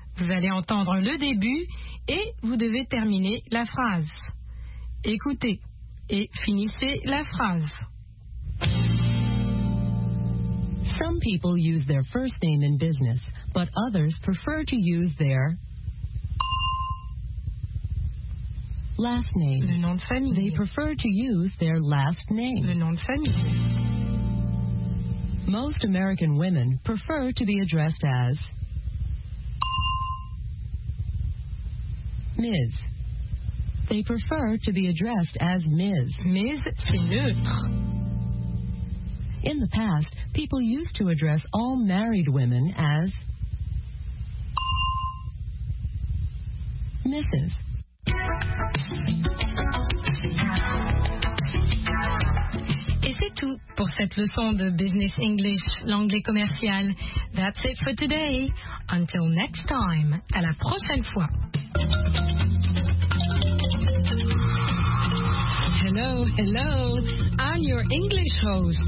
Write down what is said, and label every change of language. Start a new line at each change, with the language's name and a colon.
French: Vous allez entendre le début et vous devez terminer la phrase. Écoutez et finissez la phrase.
English: Some people use their first name in business, but others prefer to use their last name.
French: Le nom de famille.
English: They prefer to use their last name.
French: Le nom de famille.
English: Most American women prefer to be addressed as Ms. They prefer to be addressed as Ms.
French: Ms, c'est neutre.
English: In the past, people used to address all married women as Mrs.
French: Pour cette leçon de Business English, l'anglais commercial.
English: That's it for today. Until next time.
French: À la prochaine fois.
English: Hello, hello. I'm your English host.